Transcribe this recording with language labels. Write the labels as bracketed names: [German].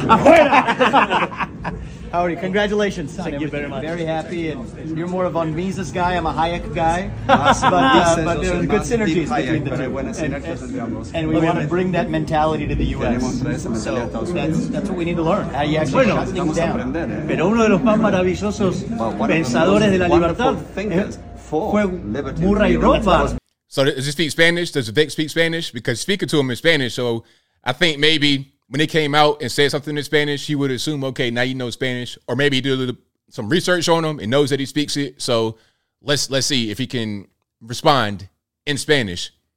[Spanish] Afuera. [English] How are you? Congratulations. Thank you very much. Very happy. And you're more of a Mises guy. I'm a Hayek guy. But there are good synergies between the two. And we want to bring that mentality to the U.S. So that's what we need to learn. How you actually shut things down. [Spanish] Pero uno de los más maravillosos pensadores de la libertad fue Murray Rothbard. [English] So does he speak Spanish? Does Vic speak Spanish? Because speaking to him in Spanish, so I think maybe when he came out and said something in Spanish, he would assume, okay, now you know Spanish. Or maybe he did a little, some research on him and knows that he speaks it. So let's see if he can respond in Spanish.